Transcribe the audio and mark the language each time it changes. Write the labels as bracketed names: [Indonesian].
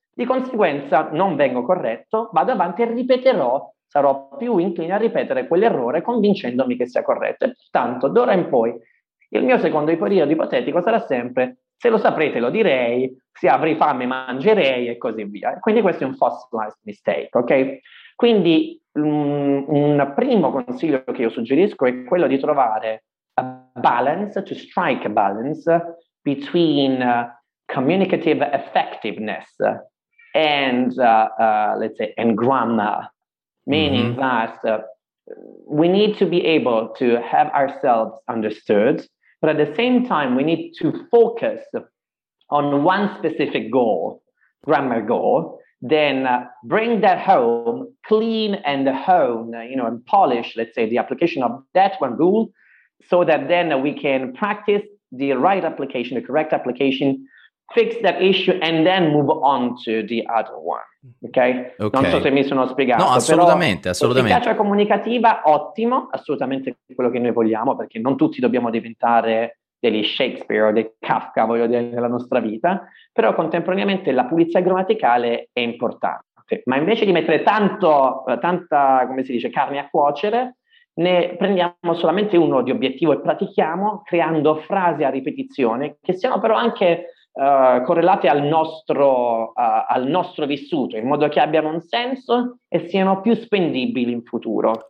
[Italian] Di conseguenza non vengo corretto, vado avanti e ripeterò, sarò più incline a ripetere quell'errore convincendomi che sia corretto. E tanto, d'ora in poi, il mio secondo periodo ipotetico sarà sempre se lo saprete lo direi, se avrei fame mangerei e così via. Quindi questo è un fossilized mistake, ok? [English] Quindi un primo consiglio che io suggerisco è quello di trovare a balance, to strike a balance between communicative effectiveness and let's say and grammar, meaning that we need to be able to have ourselves understood, but at the same time we need to focus on one specific goal, grammar goal, then bring that home, clean and hone, you know, and polish, let's say, the application of that one rule, so that then we can practice the right application, the correct application, fix that issue and then move on to the other one, okay? Okay. [Italian] Non so se mi sono spiegato. No, assolutamente, però, assolutamente. Efficacia comunicativa, ottimo, assolutamente quello che noi vogliamo, perché non tutti dobbiamo diventare degli Shakespeare o del Kafka, voglio dire, nella nostra vita, però contemporaneamente la pulizia grammaticale è importante. Ma invece di mettere tanta, come si dice, carne a cuocere, ne prendiamo solamente uno di obiettivo e pratichiamo creando frasi a ripetizione che siano però anche correlate al nostro vissuto, in modo che abbiano un senso e siano più spendibili in futuro.